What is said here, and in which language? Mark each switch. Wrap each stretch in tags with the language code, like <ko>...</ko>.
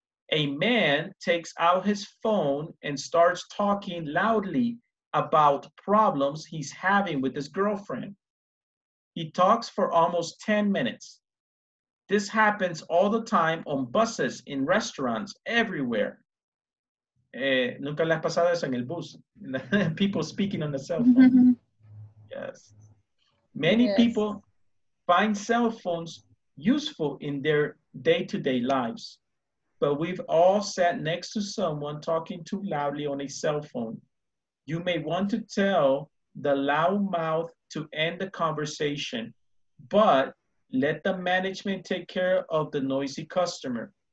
<en>A man takes out his phone and starts talking loudly about problems he's having with his girlfriend. He talks for almost 10 minutes. This happens all the time on buses, in restaurants, everywhere.</en> <es>Nunca le ha pasado eso en el bus.</es> <en>People speaking on the cell phone. Yes. Many people find cell phones useful in their day-to-day lives. But we've all sat next to someone talking too loudly on a cell phone. You may want to tell the loud mouth to end the conversation, but let the management take care of the noisy customer.</en>